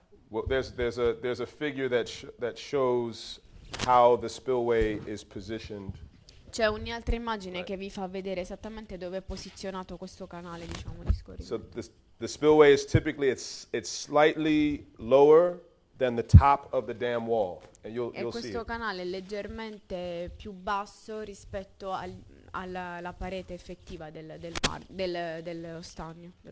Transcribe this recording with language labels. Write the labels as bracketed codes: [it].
[en] Well, there's a figure that shows how the spillway is positioned. [it] C'è un'altra immagine, [en] right, [it] che vi fa vedere esattamente dove è posizionato questo canale, diciamo, di scorrimento. [en] So the spillway is typically it's slightly lower than the top of the dam wall, and you'll see. [it] E questo canale è leggermente più basso rispetto alla parete effettiva dello stagno.